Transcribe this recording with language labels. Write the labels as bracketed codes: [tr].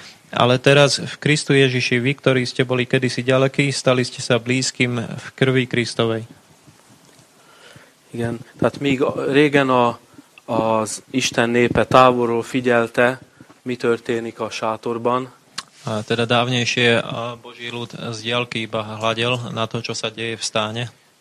[sk] Ale teraz v Kristu Ježiši, vy, ktorí ste boli kedysi ďaleký, stali ste sa blízkym v krvi Kristovej. [hu] Igen, tehát míg régen az Isten népe távolról figyelte, mi történik a sátorban. [sk] A teda dávnejšie a Boží ľud z diaľky iba hľadel na to, čo sa deje v stáne.